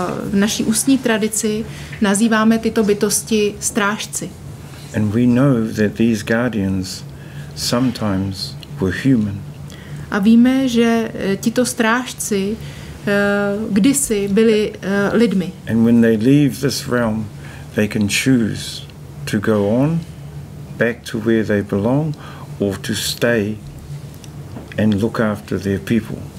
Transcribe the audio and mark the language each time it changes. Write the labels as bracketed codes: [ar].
[cs] V naší ústní tradici nazýváme tyto bytosti strážci. [en] And we know that these guardians sometimes were human. [cs] A víme, že tito strážci kdysi byli lidmi. [en] And when they leave this realm, they can choose to go on back to where they belong or to stay and look after their people.